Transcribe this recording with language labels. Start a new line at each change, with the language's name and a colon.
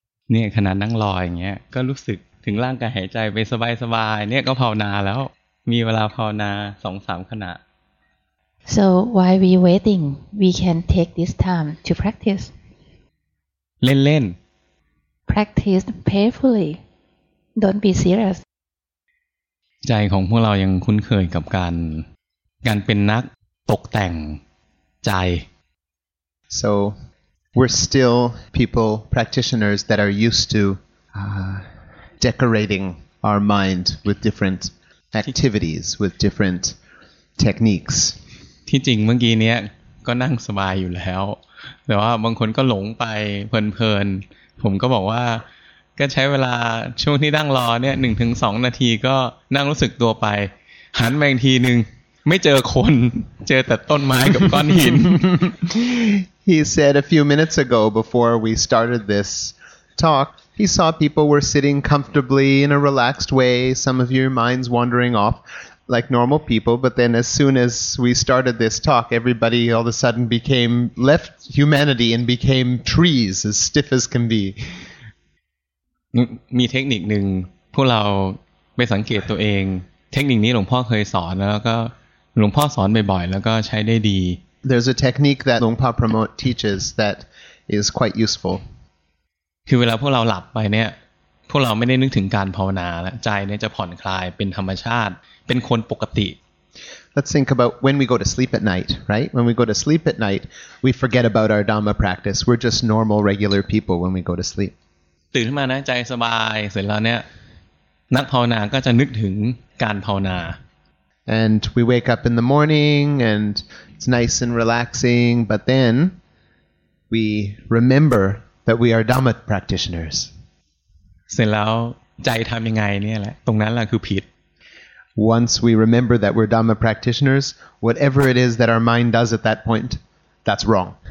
Thai: เนี่ยขนาดนั่งรออย่างเงี้ยก็รู้สึกถึงร่างกายหายใจไปสบายๆเนี่ยก็ภาวนาแล้วมีเวลาภาวนา 2-3 ขณะ
English: So while we waiting we can take this time to practice
Thai: เล่น
English: ๆ Practice painfully Don't be serious
Thai: ใจของพวกเรายังคุ้นเคยกับการเป็นนักตกแต่งใจ
English: So we're still people practitioners that are used to decorating our mind with different activities with different techniques
Thai: ที่จริงเมื่อกี้เนี้ยก็นั่งสบายอยู่แล้วแต่ว่าบางคนก็หลงไปเพลินๆผมก็บอกว่าก็ใช้เวลาช่วงที่นั่งรอเนี่ย 1-2 นาทีก็นั่งรู้สึกตัวไปหันมาอีกทีนึงไม่เจอคนเจอแต่ต้นไม้กับก้อนหิน
English: He said a few minutes ago before we started this talk he saw people were sitting comfortably in a relaxed way some of your minds wandering offLike normal people, but then as soon as we started this talk, everybody all of a sudden became left humanity and became trees as stiff as can be.
Thai: มีเทคนิคหนึ่งพวกเราไปสังเกตตัวเองเทคนิคนี้หลวงพ่อเคยสอนแล้วก็หลวงพ่อสอนบ่อยๆแล้วก็ใช้ได้ดี
English: There's a technique that หลวงพ่อ promote teaches that is quite useful.
Thai: คือเวลาพวกเราหลับไปเนี่ยพวกเราไม่ได้นึกถึงการภาวนาแล้วใจเนี่ยจะผ่อนคลายเป็นธรรมชาติเป็นคนปกติ
English: Let's think about when we go to sleep at night, right? When we go to sleep at night, we forget about our Dhamma practice. We're just normal, regular people when we go to sleep.
Thai: ตื่นขึ้นมานะใจสบายเสร็จแล้วเนี่ยนักภาวนาก็จะนึกถึงการภาวนา
English: And we wake up in the morning and it's nice and relaxing, but then we remember that we are Dhamma practitioners.
Thai: เสร็จแล้วใจทำยังไงเนี่ยแหละตรงนั้นแหละคือผิด
English: Once we remember that we're Dhamma practitioners, whatever it is that our mind does at that point, that's wrong.